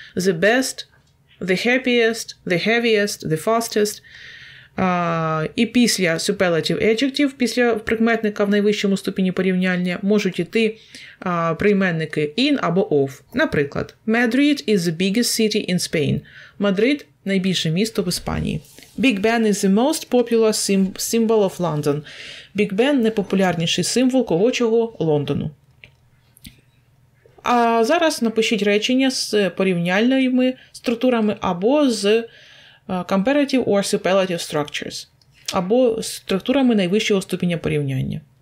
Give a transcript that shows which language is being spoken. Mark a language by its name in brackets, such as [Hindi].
[English] The best, the happiest, the heaviest, the fastest. [Ukrainian] І після superlative adjective, після прикметника в найвищому ступені порівняння, можуть йти прийменники in або of. Наприклад, [English] Madrid is the biggest city in Spain. [Ukrainian] Мадрид – найбільше місто в Іспанії. [English] Big Ben is the most popular symbol of London. [Ukrainian] Big Ben – найпопулярніший символ когочого Лондону. А зараз напишіть речення з порівняльними структурами або з [English] comparative or superlative structures, [Ukrainian] або структурами найвищого ступеня порівняння.